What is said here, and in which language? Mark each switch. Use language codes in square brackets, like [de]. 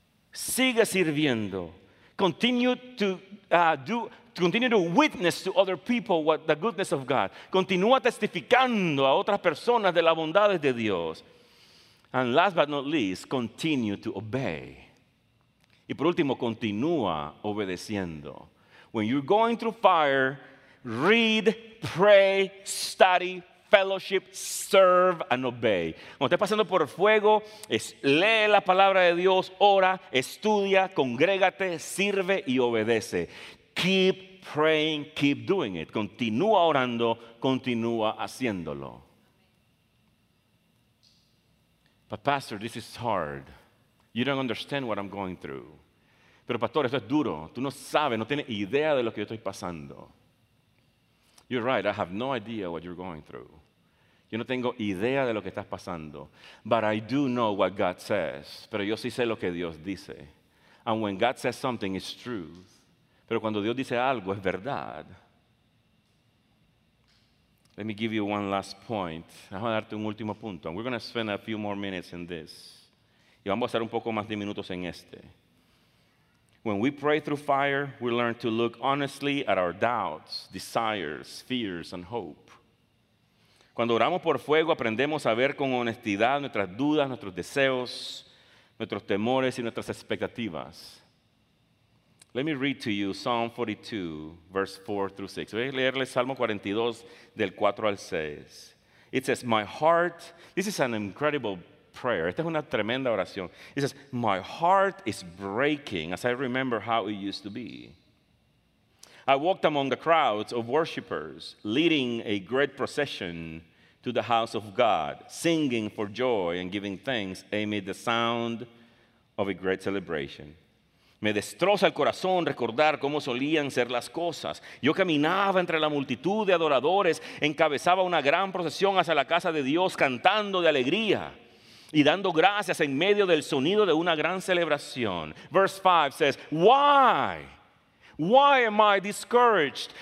[es] Sigue sirviendo. [en] Continue to witness to other people what the goodness of God. [es] Continúa testificando a otras personas de las bondades de Dios. [en] And last but not least, continue to obey. [es] Y por último, continúa obedeciendo. [en] When you're going through fire, read, pray, study, fellowship, serve, and obey. [es] Cuando estés pasando por el fuego, lee la palabra de Dios, ora, estudia, congrégate, sirve y obedece. [en] Keep praying, keep doing it. [es] Continúa orando, continúa haciéndolo. [en] But pastor, this is hard. You don't understand what I'm going through. [es] Pero pastor, esto es duro. Tú no sabes, no tienes idea de lo que yo estoy pasando. [en] You're right, I have no idea what you're going through. [es] Yo no tengo idea de lo que estás pasando. [en] But I do know what God says. [es] Pero yo sí sé lo que Dios dice. [en] And when God says something, it's truth. [es] Pero cuando Dios dice algo, es verdad. [en] Let me give you one last point. [es] Vamos a darte un último punto. [en] And we're going to spend a few more minutes in this. [es] Y vamos a hacer un poco más de minutos en este. [en] When we pray through fire, we learn to look honestly at our doubts, desires, fears, and hope. [es] Cuando oramos por fuego, aprendemos a ver con honestidad nuestras dudas, nuestros deseos, nuestros temores y nuestras expectativas. [en] Let me read to you Psalm 42, verse 4 through 6. [es] Voy a leerle Salmo 42, del 4 al 6. [en] It says, my heart, this is an incredible prayer. [es] Esta es una tremenda oración. [en] It says, my heart is breaking as I remember how it used to be. I walked among the crowds of worshipers, leading a great procession to the house of God, singing for joy and giving thanks amid the sound of a great celebration. [es] Me destroza el corazón recordar cómo solían ser las cosas. Yo caminaba entre la multitud de adoradores, encabezaba una gran procesión hacia la casa de Dios, cantando de alegría y dando gracias en medio del sonido de una gran celebración. [en] Verse 5 says, why? Why am I discouraged?